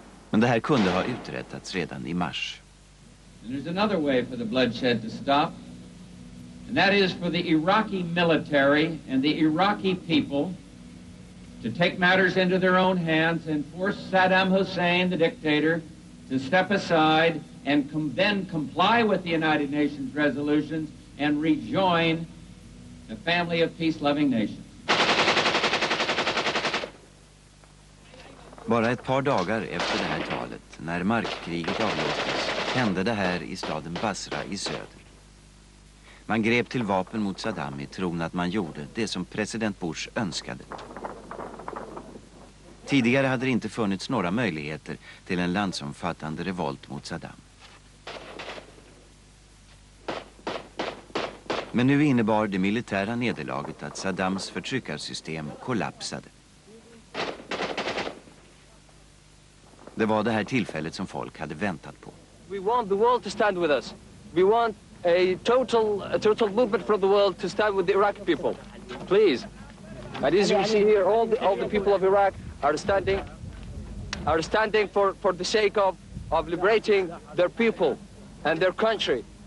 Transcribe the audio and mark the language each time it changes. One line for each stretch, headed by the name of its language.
Swedish: Men det här kunde ha uträttats redan i mars.
English: And there's another way for the bloodshed to stop, and that is for the Iraqi military and the Iraqi people to take matters into their own hands and force Saddam Hussein, the dictator, to step aside and then comply with the United Nations resolutions and rejoin the family of peace-loving nations.
Swedish: Bara ett par dagar efter det här talet, när markkriget avlöstes, hände det här i staden Basra i söder. Man grep till vapen mot Saddam i tron att man gjorde det som president Bush önskade. Tidigare hade det inte funnits några möjligheter till en landsomfattande revolt mot Saddam. Men nu innebar det militära nederlaget att Saddams förtryckarsystem kollapsade. Det var det här tillfället som folk hade väntat på.
English: We want the world to stand with us. We want a total movement from the world to stand with the Iraqi people. Please. And as you see here, all the people of Iraq are standing for the sake of liberating their people and their country.